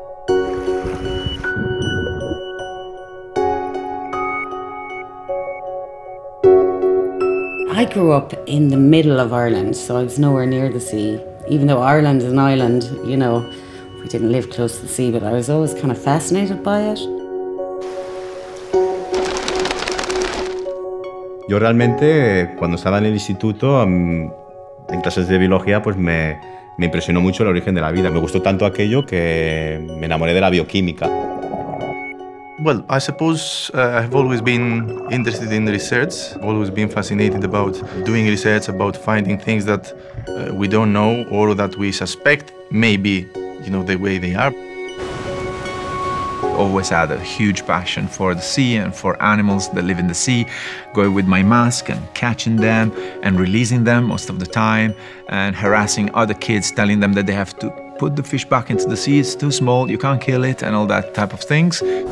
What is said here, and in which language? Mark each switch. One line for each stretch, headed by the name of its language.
English: I grew up in the middle of Ireland, so I was nowhere near the sea. Even though Ireland is an island, you know, we didn't live close to the sea, but I was always kind of fascinated by it.
Spanish: Yo realmente, cuando estaba en el instituto, en clases de biología, pues me impresionó mucho el origen de la vida. Me gustó tanto aquello que me enamoré de la bioquímica.
English: Well, I suppose I've always been interested in research, always been fascinated about doing research, about finding things that we don't know or that we suspect maybe, you know, the way they are. Always had a huge passion for the sea and for animals that live in the sea, going with my mask and catching them and releasing them most of the time and harassing other kids, telling them that they have to put the fish back into the sea, it's too small, you can't kill it, and all that type of things.